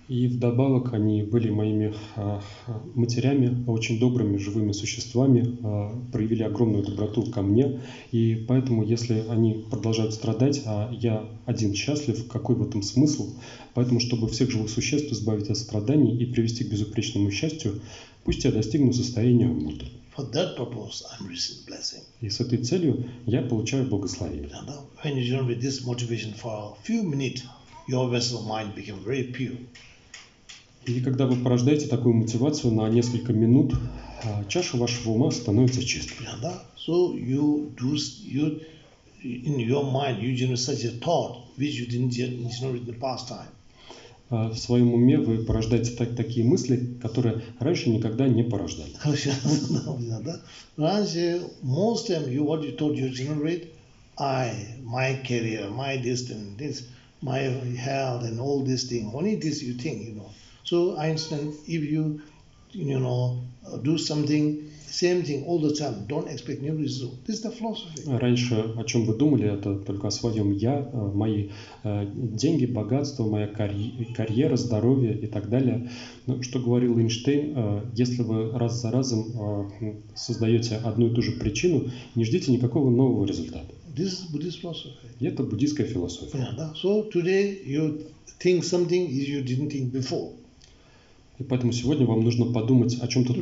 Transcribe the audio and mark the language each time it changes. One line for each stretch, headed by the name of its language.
Russian: И вдобавок они были моими матерями, очень добрыми живыми существами, проявили огромную доброту ко мне, и поэтому если они продолжают страдать, а я один счастлив, какой в этом смысл? Поэтому чтобы всех живых существ избавить от страданий и привести к безупречному счастью, пусть я достигну состояния Будды.
English: For that purpose, I'm receiving blessing.
Russian: И с этой целью я получаю благословение.
English: When you join with this motivation for a few minutes, your vessel mind becomes very pure.
Russian: И когда вы порождаете такую мотивацию на несколько минут, чаша вашего ума становится чистой. Да.
English: So you do you in your mind you generate such a thought which you didn't generate in the past time.
Russian: В своем уме вы порождаете такие мысли, которые раньше никогда не порождали. Хорошо, да? Раньше,
English: most time, you, what you thought you generate, I, my career, my destiny, this, my health and all these things, only this you think, you know. So, Einstein, if you, you know, do something, same thing all the time, don't expect new result. This is the philosophy.
Russian: Раньше о чем вы думали, это только о своем я, мои деньги, богатство, моя карьера, здоровье и так далее. Но что говорил Эйнштейн, если вы раз за разом создаете одну и ту же причину, не ждите никакого нового результата.
English: This is Buddhist philosophy.
Russian: Это буддийская философия.
English: Yeah, so today you think something you didn't think before.
Russian: И поэтому сегодня вам нужно подумать о чем-то